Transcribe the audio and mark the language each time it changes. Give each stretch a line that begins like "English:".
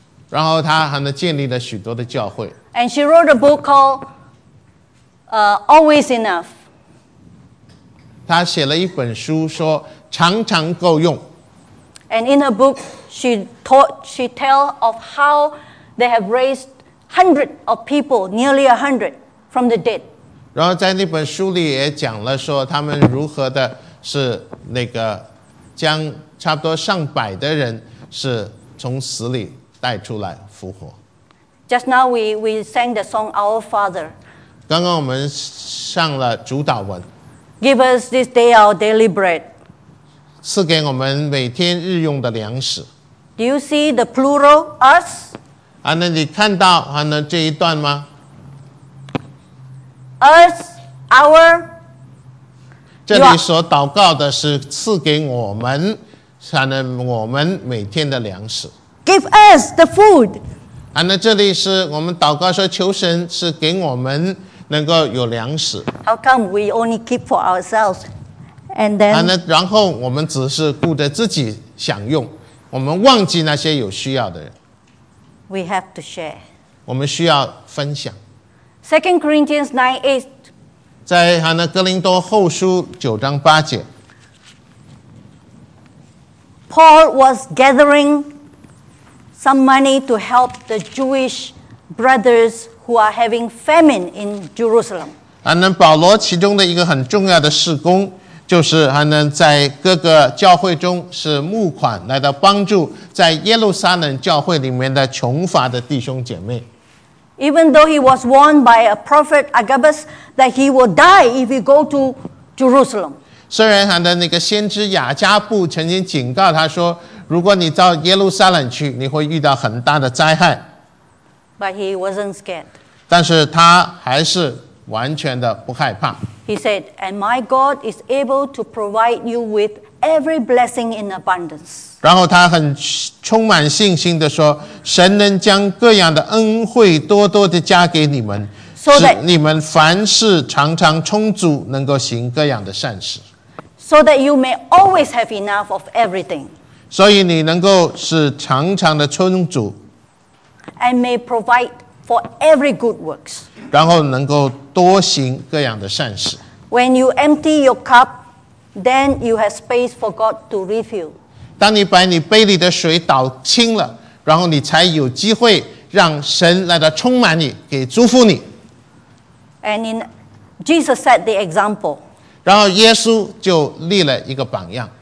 Chinese: 然后她建立了许多的教会。
English: And she wrote a book called Always Enough.
Chinese: 她写了一本书说常常够用。
English: And in her book, she tell of how they have raised hundreds of people, nearly 100, from the dead.
Chinese: 然后在那本书里也讲了说他们如何的是那个将差不多上百的人是从死里带出来复活。
English: Just now we sang the song Our Father.
Chinese: 刚刚我们唱了主祷文。
English: Give us this day our daily bread.
Chinese: 赐给我们每天日用的粮食。
English: Do you see the plural us?
Chinese: 啊，那你看到啊，那这一段吗？
English: Us, our.
Chinese: 这里所祷告的是赐给我们，才能我们每天的粮食。
English: Give us the food.
Chinese: 啊，那这里是我们祷告说求神是给我们能够有粮食。
English: How come we only keep for ourselves, and then?
Chinese: 啊，那然后我们只是顾着自己享用，我们忘记那些有需要的人。
English: We have to share.
Chinese: 我们需要分享。
English: 2 Corinthians 9:8.
Chinese: 在他的哥林多后书九章八节。
English: Paul was gathering some money to help the Jewish brothers who are having famine in Jerusalem.
Chinese: 他们保罗其中的一个很重要的事工，就是他们在各个教会中是募款来的帮助在耶路撒冷教会里面的穷乏的弟兄姐妹。
English: Even though he was warned by a prophet Agabus that he will die if he go to Jerusalem.
Chinese: 虽然他的那个先知雅加布曾经警告他说，如果你到耶路撒冷去，你会遇到很大的灾害。
English: But he wasn't scared.
Chinese: 但是他还是完全的不害怕。
English: He said, "And my God is able to provide you with every blessing in abundance."
Chinese: 然后他很充满信心地说，神能将各样的恩惠多多地加给你们，使你们凡事常常充足，能够行各样的善事。
English: So that you may always have enough of everything.
Chinese: 所以你能够是常常的充足。
English: And may provide for every good works.
Chinese: 然后能够多行各样的善事。
English: When you empty your cup, then you have space for God to refill.
Chinese: 当你把你杯里的水倒清了，然后你才有机会让神来的充满你，给祝福你。
English: And in Jesus set the example.
Chinese: 然后耶稣就立了一个榜样。